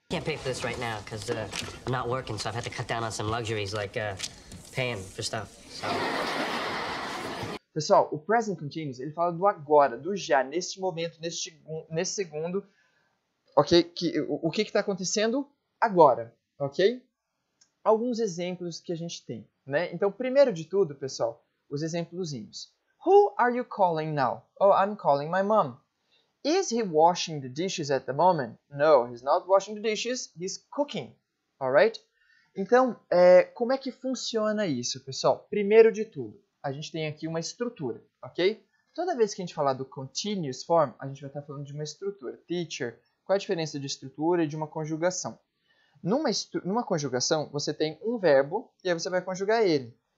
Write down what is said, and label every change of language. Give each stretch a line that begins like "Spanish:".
English: I can't pay for this right now, because I'm not working, so I've had to cut down on some luxuries, like paying for stuff, so...
Portuguese: Pessoal, o present continuous, ele fala do agora, do já, neste momento, neste segundo, ok? O que está acontecendo agora, ok? Alguns exemplos que a gente tem, né? Então, primeiro de tudo, pessoal, os exemplozinhos.
English: Who are you calling now? Oh, I'm calling my mom. Is he washing the dishes at the moment? No, he's not washing the dishes, he's cooking, alright?
Portuguese: Então, como é que funciona isso, pessoal? Primeiro de tudo, a gente tem aqui uma estrutura, ok? Toda vez que a gente falar do continuous form, a gente vai estar falando de uma estrutura. Teacher, qual é a diferença de estrutura e de uma conjugação? Numa conjugação, você tem um verbo e aí você vai conjugar ele.